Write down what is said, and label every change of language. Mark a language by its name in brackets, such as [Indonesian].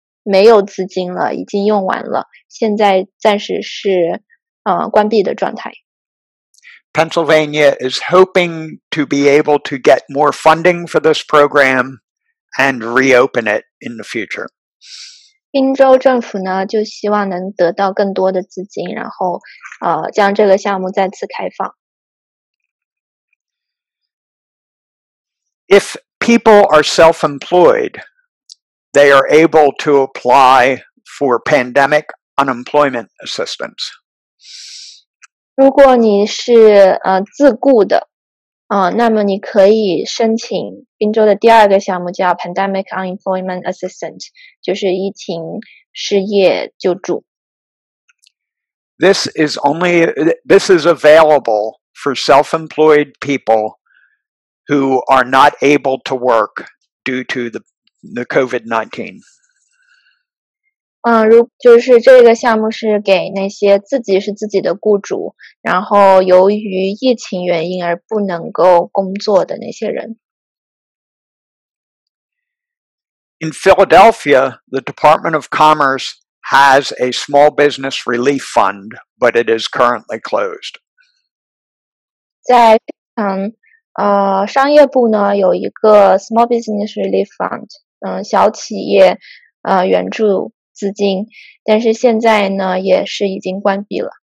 [Chinese] 没有资金了，已经用完了，现在暂时是关闭的状态。 [English] Pennsylvania is hoping to be able to get more funding for this program and reopen it in the future. [Chinese] 宾州政府呢，就希望能得到更多的资金，然后将这个项目再次开放。 [English] If people are self-employed, they are able to apply for pandemic unemployment assistance. [Chinese] 如果你是自雇的，那么你可以申请宾州的第二个项目叫 Pandemic Unemployment Assistance, 就是疫情失业救助。 [English] This is available for self-employed people who are not able to work due to the COVID-19. [Chinese] 就是这个项目是给那些自己是自己的雇主，然后由于疫情原因而不能够工作的那些人。 [English] In Philadelphia, the Department of Commerce has a small business relief fund, but it is currently closed. [Chinese] 在商业部呢有一个 small business relief fund, 小企业援助资金，但是现在呢也是已经关闭了。